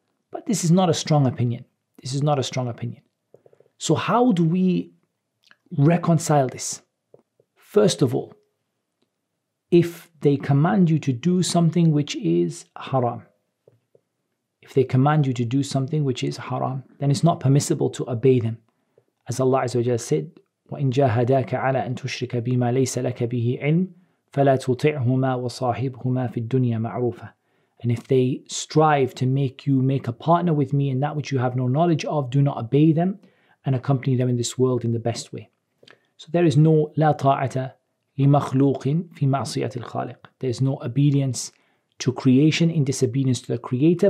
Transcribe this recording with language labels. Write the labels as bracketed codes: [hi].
[en] But this is not a strong opinion. This is not a strong opinion. So how do we reconcile this? First of all, if they command you to do something which is haram, if they command you to do something which is haram, then it's not permissible to obey them. [ar] As Allah Azza wa Jalla said, وَإِنْ جَاهَدَاكَ عَلَىٰ أَنْ تُشْرِكَ بِمَا لَيْسَ لَكَ بِهِ عِلْمٍ فَلَا تُطِعْهُمَا وَصَاحِبْهُمَا فِي الدُّنْيَا مَعْرُوفًا. [en] And if they strive to make you make a partner with me in that which you have no knowledge of, do not obey them and accompany them in this world in the best way. So there is no [ar] لا طاعة لمخلوق في معصية الخالق. [en] There is no obedience to creation in disobedience to the creator.